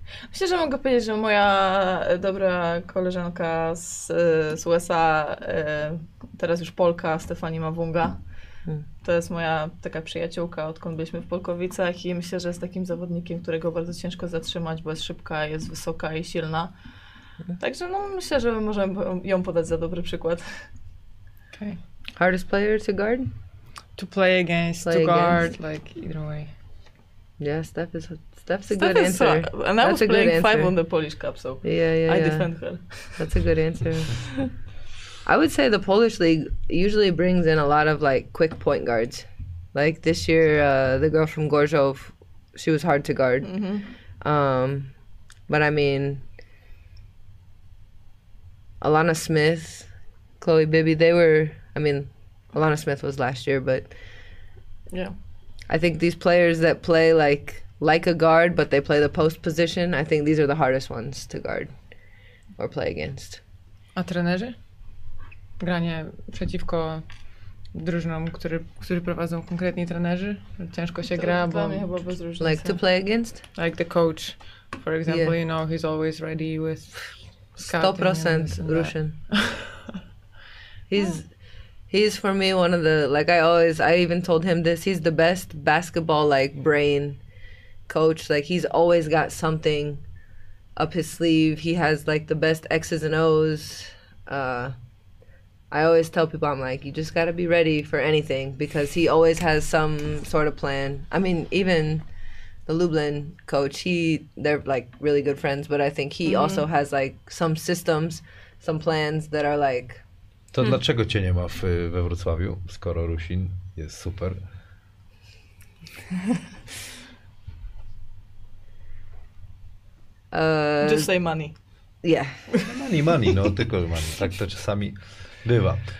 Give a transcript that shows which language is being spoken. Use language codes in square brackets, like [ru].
[pl] Myślę, że mogę powiedzieć, że moja dobra koleżanka z USA, teraz już Polka, Stefani Mawunga, to jest moja taka przyjaciółka, odkąd byliśmy w Polkowicach i myślę, że jest takim zawodnikiem, którego bardzo ciężko zatrzymać, bo jest szybka, jest wysoka i silna. Także no, myślę, że możemy ją podać za dobry przykład. [en] Okay. Hardest player to guard? To play against, to guard, like either way. Yeah, Steph is a good answer. And I was playing five on the Polish Cup, so I defend her. That's a good answer. I would say the Polish league usually brings in a lot of like quick point guards. Like this year, the girl from Gorzów, she was hard to guard. Mm-hmm. But I mean, Alana Smith, Chloe Bibby, Alana Smith was last year, but yeah, I think these players that play like a guard, but they play the post position, I think these are the hardest ones to guard or play against. [pl] A trenerzy? Granie przeciwko drużynom, którzy prowadzą konkretni trenerzy? Ciężko się gra, bo... Chyba bez różnicy. [en] Like to play against? Like the coach, for example, yeah. You know, he's always ready with scouting. 100% Ruszyn. He's for me one of the, like I even told him this, he's the best basketball like brain coach. Like he's always got something up his sleeve. He has like the best X's and O's. I always tell people, I'm like, you just gotta be ready for anything because he always has some sort of plan. I mean, even the Lublin coach, they're like really good friends, but I think he mm-hmm. also has like some systems, some plans that are like, [pl] to dlaczego cię nie ma we Wrocławiu, skoro Ruszyn jest super? [en] Just say money. Yeah. [pl] Money, no tylko money. Tak to czasami bywa.